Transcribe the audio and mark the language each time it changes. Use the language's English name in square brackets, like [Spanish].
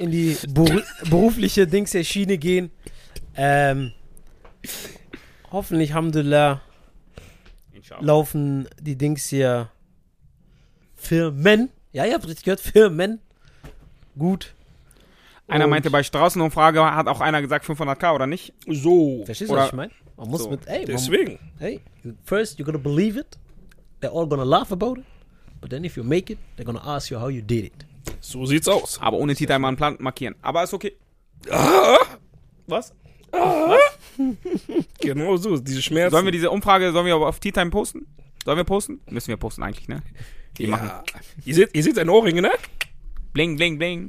[German] In die berufliche Dings der Schiene gehen, hoffentlich, alhamdulillah, laufen die Dings hier Firmen, ja, ihr habt richtig gehört, Firmen, gut. Einer meinte, bei Straßenumfrage hat auch einer gesagt 500k, oder nicht? So. Verstehst du, was ich meine? Man muss so, mit, ey, deswegen. [English] First, you're gonna believe it. They're all gonna laugh about it. But then if you make it, they're gonna ask you how you did it. [German] So sieht's aus. Aber ohne Titel mal einen Plan markieren. Aber ist okay. Was? Was? Genau so, diese Schmerzen. Sollen wir diese Umfrage, sollen wir aber auf T-Time posten? Sollen wir posten? Müssen wir posten eigentlich, ne? Die ja. Machen. Ihr seht seine Ohrringe, ne? Bling, bling, bling.